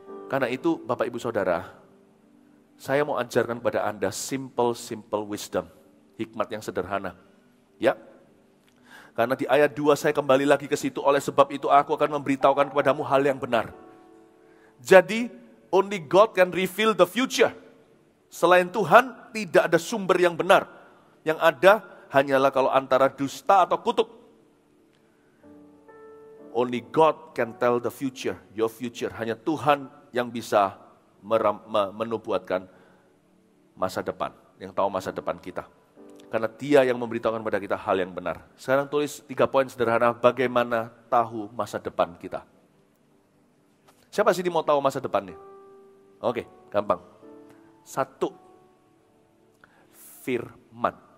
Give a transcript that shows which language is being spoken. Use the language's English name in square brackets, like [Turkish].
[Indonesian] Karena itu, Bapak Ibu Saudara, saya mau ajarkan kepada Anda [English] simple, simple wisdom. [Indonesian] Hikmat yang sederhana. Ya. Karena di ayat 2 saya kembali lagi ke situ, oleh sebab itu aku akan memberitahukan kepadamu hal yang benar. Jadi, [English] only God can reveal the future. [Indonesian] Selain Tuhan, tidak ada sumber yang benar. Yang ada hanyalah kalau antara dusta atau kutuk. [English] Only God can tell the future, your future. [Indonesian] Hanya Tuhan yang bisa menubuatkan masa depan, yang tahu masa depan kita. Karena dia yang memberitahukan pada kita hal yang benar. Sekarang tulis 3 poin sederhana bagaimana tahu masa depan kita. Siapa sih mau tahu masa depannya? Oke, gampang. 1, firman.